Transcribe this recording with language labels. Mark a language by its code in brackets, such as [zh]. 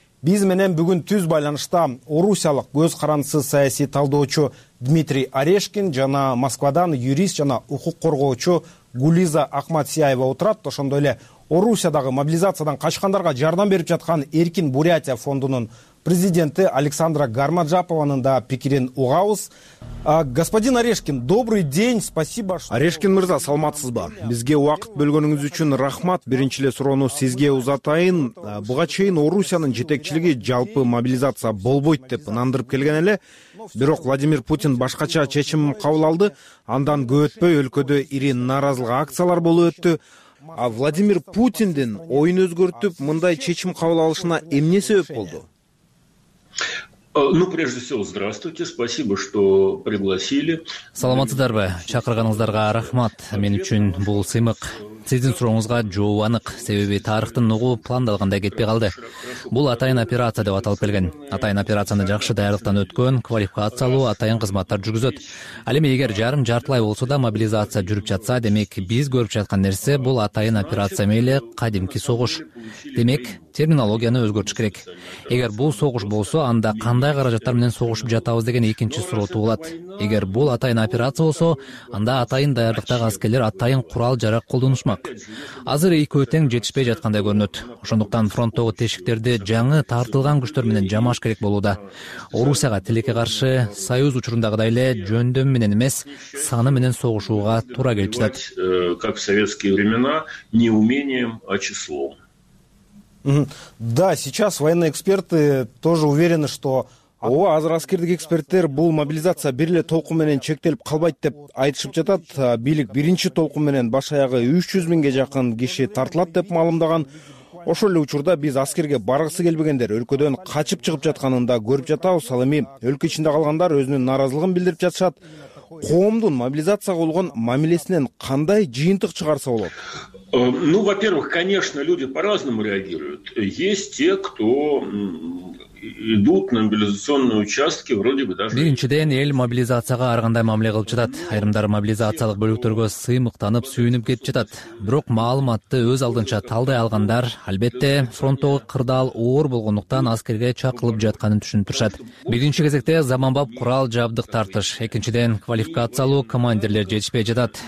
[ky] Биз менен бүгүн түз байланышта орусиялык көз карандысыз саясий талдоочу Дмитрий Орешкин жана Москвадан юрист жана укук коргоочу Гулиза Ахматсияева отурат. Ошондой эле Орусиядагы мобилизациядан качкандарга жардам берип жаткан Эркин Бурятия фондунун президенти Александра Гармаджапованын да пикирин угабыз. [ru] Господин Орешкин, добрый день, спасибо. [ky] Орешкин мырза, саламатсызбы? Бизге убакыт бөлгөнүңүз үчүн рахмат. Биринчи эле суроону сизге узатайын. Буга чейин Орусиянын жетекчилиги жалпы мобилизация болбойт деп ынандырып келген эле. Бирок Владимир Путин башкача чечим кабыл алды. Андан көп өтпөй өлкөдө ири нааразылык акциялар болуп өттү. А Владимир Путиндин оюн өзгөртүп мындай чечим кабыл алышына эмне себеп болду? [ru] Прежде всего, здравствуйте, спасибо, что пригласили. [ky] Саламатсыздарбы, чакырганыңыздарга рахмат, мен үчүн бул сыймык. Сиздин сурооңузга жооп анык, себеби тарыхтын угуу пландалгандай кетпей калды. Бул атайын операция деп аталып келген. Атайын операцияны жакшы даярдыктан өткөн, квалификациялуу атайын кызматтар жүргүзөт. Ал эми эгер жарым жартылай болсо да мобилизация жүрүп жатса, демек биз көрүп жаткан нерсе бул атайын операция мейли кадимки согуш. Демек терминологияны өзгөртүш керек. Эгер бул согуш болсо, анда кандай каражаттар менен согушуп жатабыз деген экинчи суроо туулат. Эгер бул атайын операция болсо, анда атайын даярдыктагы аскерлер атайын курал жарак колдонушмак. Азыр экөө тең жетишпей жаткандай көрүнөт. Ошондуктан фронттогу тешиктерди жаңы тартылган күчтөр менен жамаш керек болууда. Орусияга тилекке каршы союз учурундагыдай эле жөндөм менен эмес, саны менен согушууга туура келип жатат. [ru] Как в советские времена, не умением, а числом. Да, сейчас военные эксперты тоже уверены, что [ky] ооба, азыр аскердик эксперттер бул мобилизация бир эле толкун менен чектелип калбайт деп айтышып жатат. Бийлик биринчи толкун менен баш аягы 300 000 жакын киши тартылат деп маалымдаган. Ошол эле учурда биз аскерге баргысы келбегендер өлкөдөн качып чыгып жатканын да көрүп жатабыз. Ал эми өлкө ичинде калгандар өзүнүн нааразылыгын билдирип жатышат. Коомдун мобилизацияга болгон мамилесинен кандай жыйынтык чыгарса болот? [ru] Ну, во-первых, конечно, люди по-разному реагируют. Есть те, кто идут на мобилизационные участки, вроде бы даже... [ky] Биринчиден, эл мобилизацияга ар кандай мамиле кылып жатат. Айрымдар мобилизациялык бөлүктөргө сыймыктанып, сүйүнүп кетип жатат. Бирок маалыматты өз алдынча талдай алгандар, албетте, фронттогу кырдаал оор болгондуктан аскерге чакырылып жатканын түшүнүп турушат. Биринчи кезекте заманбап курал жабдык тартыш. Экинчиден, квалификациялуу командирлер жетишпей жатат.